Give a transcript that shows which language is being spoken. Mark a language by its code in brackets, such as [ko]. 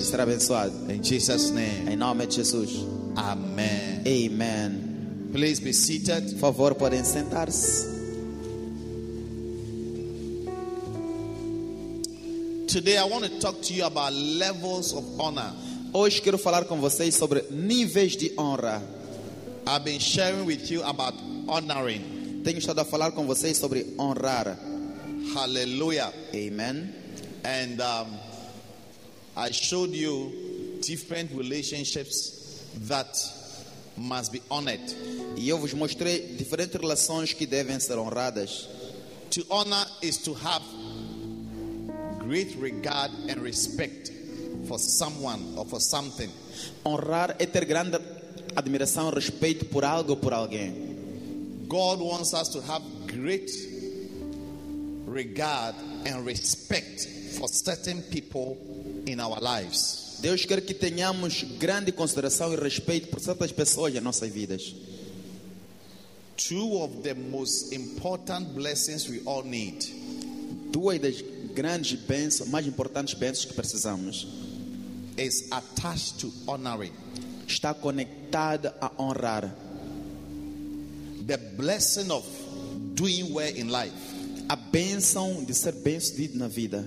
[pt] E ser abençoado. [en] In Jesus' name. [pt] Em nome de Jesus. [en] Amen. Amen. Please be seated. [pt] Por favor, podem sentar-se. [en] Today I want to talk to you about levels of honor. [pt] Hoje quero falar com vocês sobre níveis de honra. [en] I've been sharing with you about honoring. [pt] Tenho estado a falar com vocês sobre honrar. [en] Hallelujah. Amen. And I showed you different relationships that must be honored. [pt] E eu vos mostrei diferentes relações que devem ser honradas. [en] To honor is to have great regard and respect for someone or for something. [pt] Honrar é ter grande admiração, respeito por algo ou por alguém. [en] God wants us to have great regard and respect for certain people in our lives. [pt] Deus quer que tenhamos grande consideração e respeito por certas pessoas em nossas vidas. [en] Two of the most important blessings we all need. [pt] Duas das grandes bênçãos, mais importantes bênçãos que precisamos, [en] is attached to honoring. [pt] Está conectada a honrar. [en] The blessing of doing well in life. [pt] A bênção de ser bem sucedido na vida.